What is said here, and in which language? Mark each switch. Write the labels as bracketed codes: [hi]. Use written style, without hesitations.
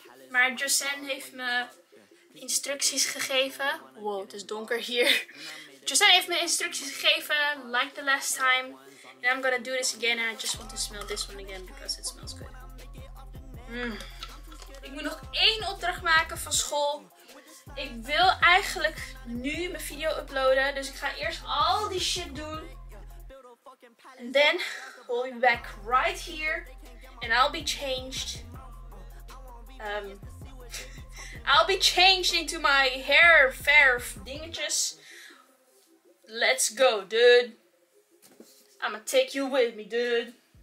[nl] Maar Jocen heeft me instructies gegeven. Wow, het is donker hier. Jocen heeft me instructies gegeven, [en] like the last time. And I'm gonna do this again and I just want to smell this one again because it smells good. [nl] Ik moet nog één opdracht maken van school. Ik wil eigenlijk nu mijn video uploaden, dus ik ga eerst al die shit doen. [en] And then we'll be back right here and I'll be changed. I'll be changed into my hair [nl] verf dingetjes. [en] Let's go, dude. I'ma take you with me, dude.